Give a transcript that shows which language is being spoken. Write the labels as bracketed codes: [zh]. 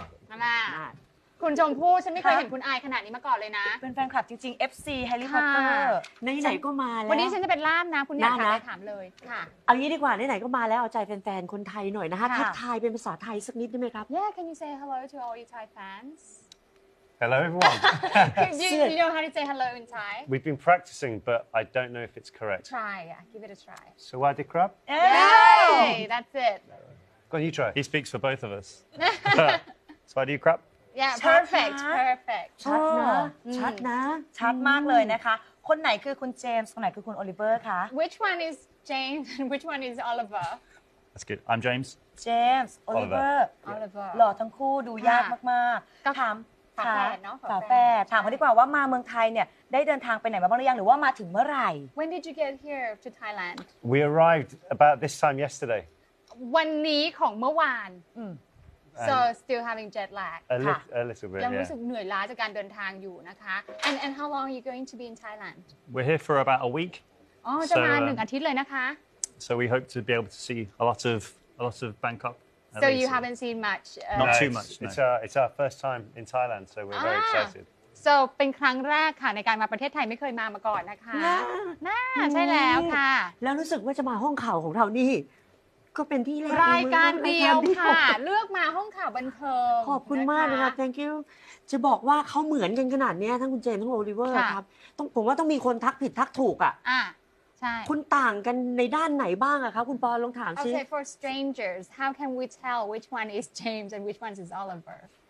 [th] มาคุณชมพู่ฉันไม่เคยเห็นคุณอายขนาดนี้มาก่อนเลยนะ เป็นแฟนคลับจริงๆ FC แฮร์รี่พอตเตอร์ไหนๆก็มาแล้ววันนี้ฉันจะเป็นล่ามนะคุณอยากถามอะไรถามเลย ค่ะ เอางี้ดีกว่าไหนๆก็มาแล้วเอาใจแฟนๆคนไทยหน่อยนะคะทักทายเป็นภาษาไทยสักนิดได้ไหมครับ [en] Yeah can you say hello to all your Thai fans Hello everyone you know how to say hello in Thai We've been practicing but I don't know if it's correct Try yeah give it a try [th] สวัสดีครับ [en] Hey that's it Go on you try He speaks for both of us [th] สวัสดีครับ [en] Yeah, perfect, perfect. [th] ชัดนะชัดนะ ชัดมากเลยนะคะคนไหนคือคุณเจมส์คนไหนคือคุณโอลิเวอร์คะ [en] Which one is James and which one is Oliver? That's good. I'm James. James, Oliver. Oliver. [th] หล่อทั้งคู่ดูยากมากๆ ถาม เขาดีกว่าว่ามาเมืองไทยเนี่ยได้เดินทางไปไหนมาบ้างหรือยังหรือว่ามาถึงเมื่อไหร่ [en] When did you get here to Thailand? We arrived about this time yesterday. [th] วันนี้ของเมื่อวาน [en] So still having jet lag. A little bit. [th] ยังรู้สึกเหนื่อยล้าจากการเดินทางอยู่นะคะ [en] And how long are you going to be in Thailand? We're here for about a week. [th] Oh, จะมา1อาทิตย์เลยนะคะ [en] So we hope to be able to see a lot of Bangkok. So you haven't seen much. Not too much. It's our first time in Thailand, so we're very excited. [th] So เป็นครั้งแรกค่ะในการมาประเทศไทยไม่เคยมาก่อนนะคะน่าใช่แล้วค่ะ แล้วรู้สึกว่าจะมาห้องข่าวของเรานี่ก็เป็นที่แรก รายการเดียวค่ะเลือกมาห้องข่าวบันเทิง ขอบคุณมากนะครับ thank you จะบอกว่าเขาเหมือนกันขนาดนี้ทั้งคุณเจนทั้งโอลิเวอร์ครับต้องผมว่าต้องมีคนทักผิดทักถูกอ่ะ ใช่ คุณต่างกันในด้านไหนบ้างอะคะคุณปอลองถามซิ [en] Okay for strangers how can we tell which one is James and which one is Oliver